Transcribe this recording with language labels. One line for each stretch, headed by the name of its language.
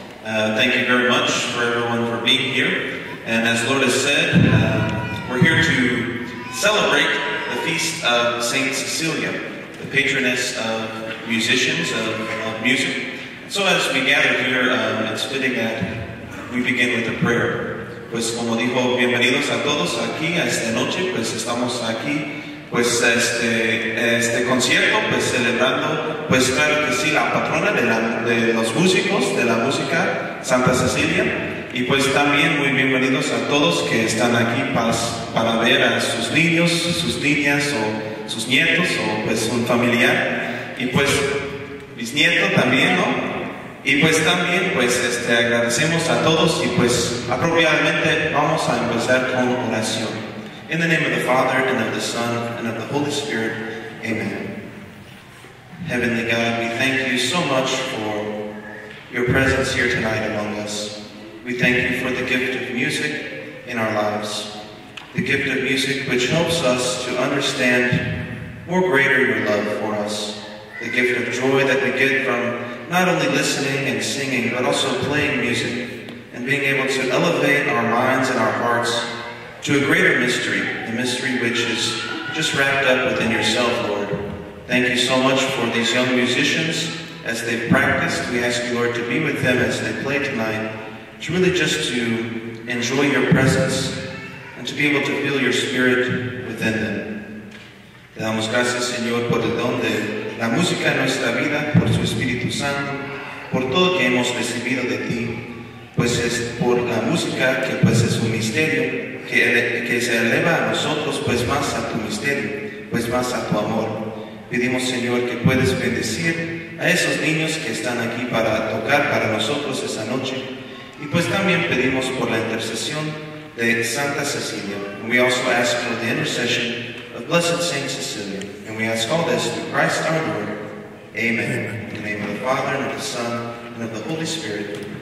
English: Thank you very much for everyone for being here. And as Lourdes said, we're here to celebrate the feast of Saint Cecilia, the patroness of musicians, of music. So as we gather here, it's fitting that we begin with a prayer.
Spanish: Pues como dijo, bienvenidos a todos aquí a esta noche, pues estamos aquí, pues este concierto, pues celebrando, pues claro que sí, la patrona de los músicos, de la música, Santa Cecilia. Y pues también muy bienvenidos a todos que están aquí para ver a sus niños, sus niñas, o sus nietos, o pues un familiar. Y pues mis nietos también, ¿no? Y pues también, pues agradecemos a todos y pues apropiadamente vamos a empezar con oración.
English: In the name of the Father, and of the Son, and of the Holy Spirit, amen. Heavenly God, we thank you so much for your presence here tonight among us. We thank you for the gift of music in our lives. The gift of music which helps us to understand more greater your love for us. The gift of joy that we get from not only listening and singing, but also playing music and being able to elevate our minds and our hearts to a greater mystery, the mystery which is just wrapped up within yourself, Lord. Thank you so much for these young musicians. As they've practiced, we ask you, Lord, to be with them as they play tonight. It's really just to enjoy your presence and to be able to feel your spirit within them.
Spanish: Te damos gracias, Señor, por el don de la música en nuestra vida, por su Espíritu Santo, por todo que hemos recibido de ti, pues es por la música que pues es un misterio, que se eleva a nosotros pues más a tu misterio, pues más a tu amor. Pedimos, Señor, que puedes bendecir a esos niños que están aquí para tocar para nosotros esa noche. Y pues también pedimos por la intercesión de Santa Cecilia.
English: And we also ask for the intercession of Blessed Saint Cecilia. And we ask all this through Christ our Lord. Amen. In the name of the Father, and of the Son, and of the Holy Spirit.